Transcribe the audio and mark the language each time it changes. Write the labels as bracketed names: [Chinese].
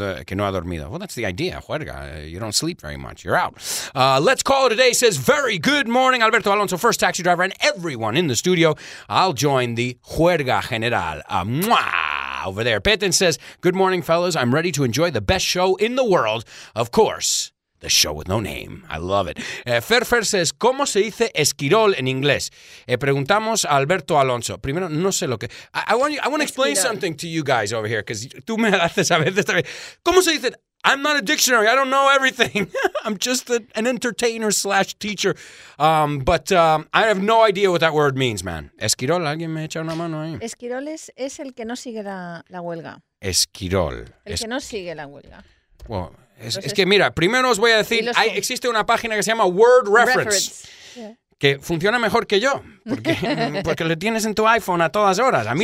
[Spanish] Que no ha dormido. [English] Well, that's the idea, juerga. You don't sleep very much. You're out. Let's call it a day, says, very good morning, Alberto Alonso, first taxi driver, and everyone in the studio. I'll join the juerga general. Mwah! Over there. Peten says, good morning, fellas. I'm ready to enjoy the best show in the world. Of course, the show with no name. I love it. Fer says, [Spanish] ¿cómo se dice esquirol en inglés? Preguntamos a Alberto Alonso. Primero, no sé lo que... [English] I want to explain esquirol. Something to you guys over here, because [Spanish] tú me haces a veces también. ¿Cómo se dice? [English] I'm not a dictionary. I don't know everything. I'm just an entertainer slash teacher. I have no idea what that word means, man. [Spanish] Esquirol, alguien me echa una mano ahí. Esquirol es el que no sigue la huelga. Esquirol. El que no sigue la huelga. Well, es que mira, primero os voy a decir, existe una página que se llama Word Reference. Que funciona mejor que yo, porque le tienes en tu iPhone a todas horas. A mí